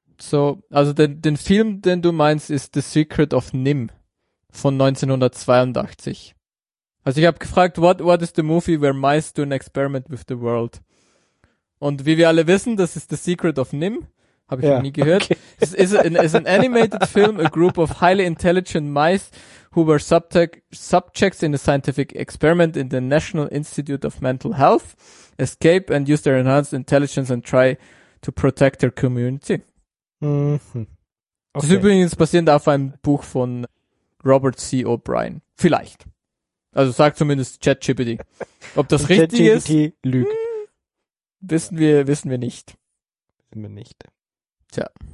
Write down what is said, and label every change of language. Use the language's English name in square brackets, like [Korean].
[German] So, also den Film, den du meinst, ist The Secret of NIMH von 1982. Also ich habe gefragt, [English] what is the movie where mice do an experiment with the world? [German] Und wie wir alle wissen, das ist The Secret of NIMH. Habe ich noch nie gehört. Okay. [English] It is an animated film, a group of highly intelligent mice who were subjects in a scientific experiment in the National Institute of Mental Health escape and use their enhanced intelligence and try to protect their community. Mm-hmm. [German] Okay. Das ist übrigens basierend auf einem Buch von Robert C. O'Brien. Vielleicht. Also sagt zumindest ChatGPT. Ob das richtig ist, lügt. Wissen wir nicht. Wissen wir nicht. Tja.